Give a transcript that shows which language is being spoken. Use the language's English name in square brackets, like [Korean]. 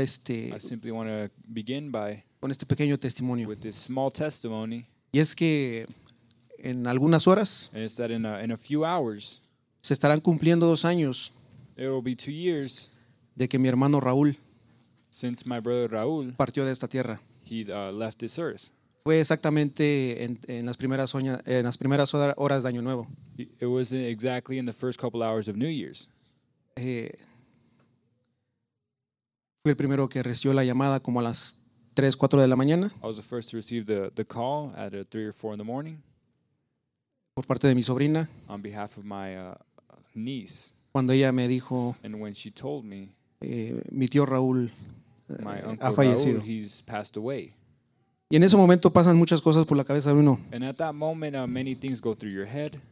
[English] I simply want to begin by [Spanish] con este pequeño testimonio. [English] With this small testimony. [Spanish] Y es que en algunas horas, [English] and it's that in a few hours, [Spanish] se estarán cumpliendo 2 años. [English] It will be 2 years. [Spanish] De que mi hermano Raúl, [English] since my brother Raúl, [Spanish] partió de esta tierra. [English] He left this earth. [Spanish] Fue exactamente en las primeras horas de Año Nuevo. [English] It was exactly in the first couple hours of New Year's. [Spanish] Fui el primero que recibió la llamada como a las 3, 4 de la mañana. [English] I was the first to receive the call at 3 or 4 in the morning. [Spanish] Por parte de mi sobrina. [English] On behalf of my niece. [Spanish] Cuando ella me dijo, [English] and when she told me, [Spanish] mi tío Raúl ha fallecido. [English] My uncle Raúl, he's passed away. [Spanish] Y en ese momento pasan muchas cosas por la cabeza de uno. [English] And at that moment, many things go through your head.